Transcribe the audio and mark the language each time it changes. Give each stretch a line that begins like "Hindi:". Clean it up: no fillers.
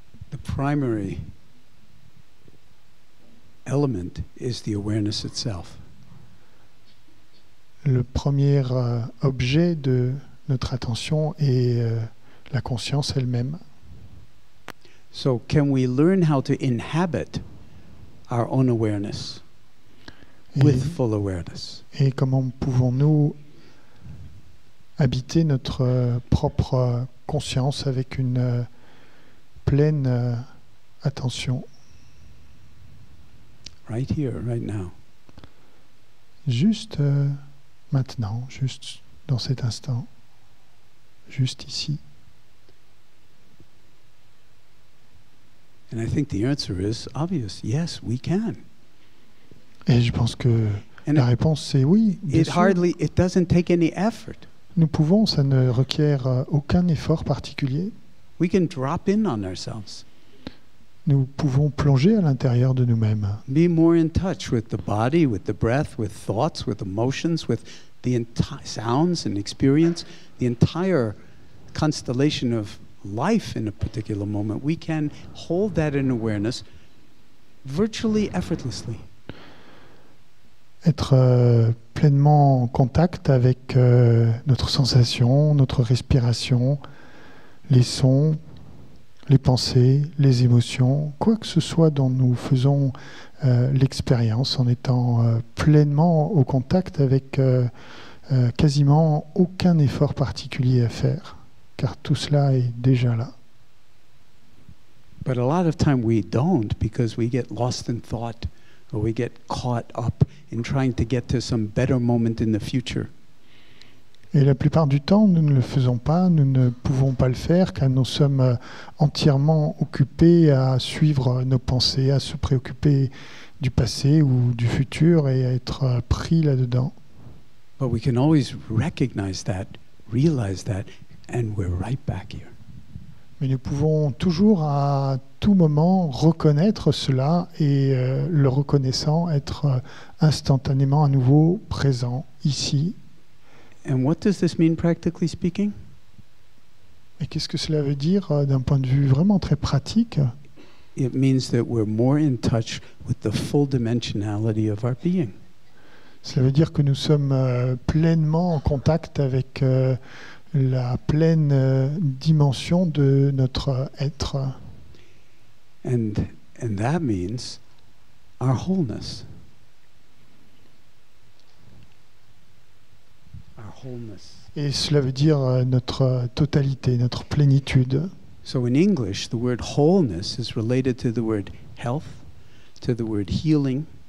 English: The primary element is the awareness itself.
French: Le premier objet de notre attention est la conscience elle-même.
English: So can we learn how to inhabit our own awareness with full awareness?
French: Et comment pouvons-nous habiter notre propre conscience avec une pleine attention?
English: Right here, right now.
French: Juste maintenant, juste dans cet instant, juste ici.
English: And I think the answer is obvious. Yes, we can.
French: Et je pense que la réponse c'est oui.
English: It doesn't take any effort.
French: Nous pouvons, ça ne requiert aucun effort particulier.
English: We can drop in on ourselves.
French: Nous pouvons plonger à l'intérieur de nous-mêmes.
English: Be more in touch with the body, with the breath, with thoughts, with emotions, with the sounds and experience, the entire constellation of life in a particular moment, we can hold that in awareness virtually effortlessly.
French: être pleinement en contact avec notre sensation, notre respiration, les sons, les pensées, les émotions, quoi que ce soit dont nous faisons l'expérience, en étant pleinement au contact avec quasiment aucun effort particulier à faire, car tout cela est déjà là.
English: But a lot of time we don't, because we get lost in thought, or we get caught up in trying to get to some better moment in the future.
French: Et la plupart du temps, nous ne le faisons pas, nous ne pouvons pas le faire, car nous sommes entièrement occupés à suivre nos pensées, à se préoccuper du passé ou du futur et à être pris là-dedans.
English: But we can always recognize that, realize that, and we're right back here.
French: Mais nous pouvons toujours, à tout moment, reconnaître cela et le reconnaissant, être instantanément à nouveau présent ici.
English: And what does this mean, practically speaking?
French: Et qu'est-ce que cela veut dire d'un point de vue vraiment très pratique?
English: It means that we're more in touch with the full dimensionality of our being.
French: Cela veut dire que nous sommes pleinement en contact avec la pleine dimension de notre être.
English: And that means our wholeness. Our wholeness.
French: Et cela veut dire notre totalité, notre plénitude.
English: So in English, the word wholeness is related to the word health, to the word healing.